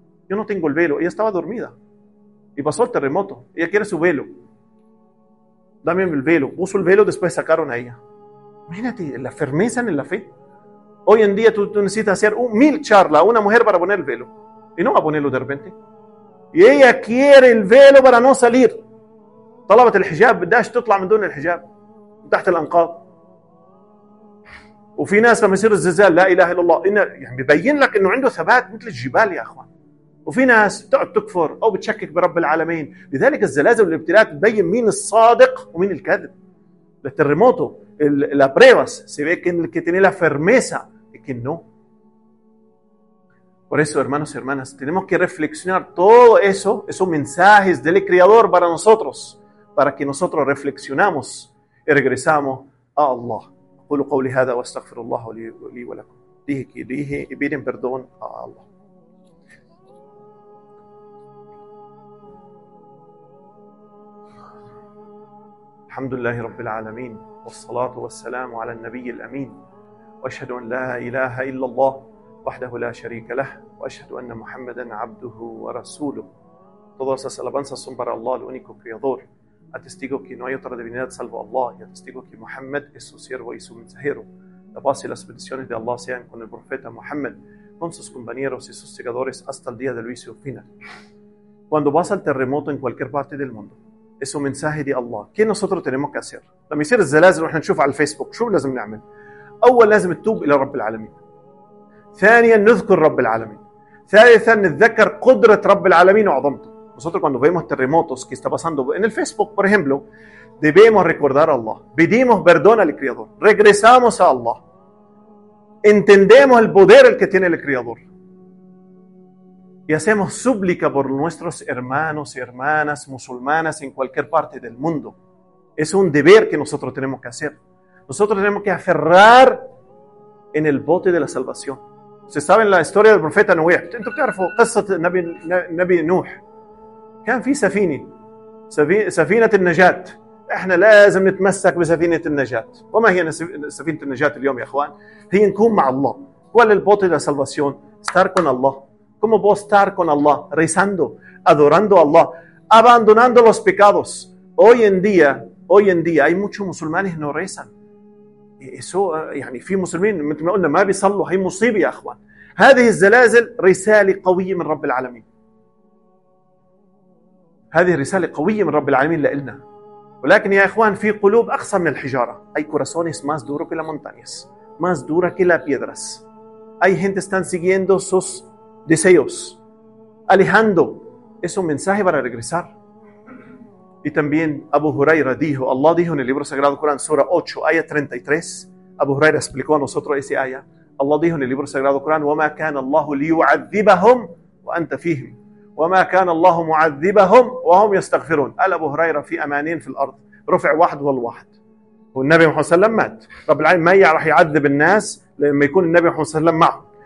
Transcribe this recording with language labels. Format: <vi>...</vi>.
<es>Yo no tengo el velo. Ella estaba dormida. Y pasó el terremoto. Ella quiere su velo. dame el velo. Puso el velo, después sacaron a ella. Imagínate la firmeza en la fe. Hoy en día tú necesitas hacer 1,000 charlas a una mujer para poner el velo. Y no va a ponerlo de repente. Y ella quiere el velo para no salir.</es> <ar>طلبت الحجاب بدهاش تطلع من دون الحجاب تحت الانقاض. وفي ناس لما يصير الزلزال لا اله الا الله ان يعني بيبين لك انه عنده ثبات مثل الجبال يا اخوان. وفي ناس بتقعد تكفر او بتشكك برب العالمين. لذلك الزلازل والابتلاءات بتبين مين الصادق ومين الكاذب.</ar> <es>للترموتو la pruebas se ve que el que tiene la firmeza y que no. Por eso, hermanos y hermanas, tenemos que reflexionar todo eso, esos mensajes del Creador para nosotros, para que nosotros reflexionamos y regresamos a Allah.</es> <ar>قولوا قولي هذا واستغفر الله لي ولكم.</ar> <es>Dije que dije y piden perdón a Allah.</es> <ar>الحمد لله رب العالمين والصلاة والسلام على النبي الأمين وأشهد أن لا إله إلا الله وحده لا شريك له وأشهد أن محمدا عبده ورسوله.</ar> <es>Todas las alabanzas son para Allah, el único creador. Atestigo que no hay otra divinidad salvo Allah y atestigo que Muhammad es su siervo y su mensajero. La paz y las bendiciones de Allah sean con el profeta Muhammad, con sus compañeros y sus seguidores hasta el día del juicio final. Cuando pasa el terremoto en cualquier parte del mundo, es un mensaje de Allah. ¿Qué nosotros tenemos que hacer? Cuando</es> <ar>يصير الزلازل واحنا نشوف على الفيسبوك شو لازم نعمل؟ اول لازم نتوب الى رب العالمين. ثانيا نذكر رب العالمين. ثالثا نتذكر قدرة رب العالمين وعظمته.</ar> <es>Nosotros cuando vemos terremotos que está pasando en el Facebook, por ejemplo, debemos recordar a Allah. Pedimos perdón al Creador. Regresamos a Allah. Entendemos el poder que tiene el Creador. Y hacemos súplica por nuestros hermanos y hermanas musulmanas en cualquier parte del mundo. Es un deber que nosotros tenemos que hacer. Nosotros tenemos que aferrar en el bote de la salvación. ¿Ustedes saben la historia del profeta Noé? ¿Tú sabes la historia del Nabi Nuh?</es> <ar>كان في سفينة النجاة. احنا لازم نتمسك بسفينة النجاة. وما هي سفينة النجاة اليوم يا اخوان؟ هي نكون مع الله.</ar> <es>¿Cuál es el bote de la salvación? Estar con Allah. ¿Cómo puedo estar con Allah? Rezando, adorando a Allah, abandonando los pecados. Hoy en día hay muchos musulmanes no rezan. Eso</es> <ar>يعني في مسلمين مثل ما قلنا ما بيصلوا. هي مصيبة يا اخوان. هذه الزلازل رسالة قوية من رب العالمين. هذه رسالة قوية من رب العالمين لإلنا. ولكن يا إخوان في قلوب أقسى من الحجارة. أي</ar> <es>corazones más duro que la montañas, más dura que las piedras. Hay gente están siguiendo sus deseos, alejando. Es un mensaje para regresar. Y también Abu Huraira dijo, Allah dijo en el libro sagrado Corán, sura 8, ayah 33. Abu Huraira explicó a nosotros ese ayah. Allah dijo en el libro sagrado Corán,</es> <ar>وَمَا كَانَ اللَّهُ لِيُعَذِّبَهُمْ وَأَنْتَ فِيهِمْ وما كان الله معذبهم وهم يستغفرون. قال ابو هريره في امانين في الارض رفع واحد والواحد. والنبي محمد صلى الله عليه وسلم مات. رب العالمين ما راح يعذب الناس لما يكون النبي محمد صلى الله عليه وسلم معه.</ar>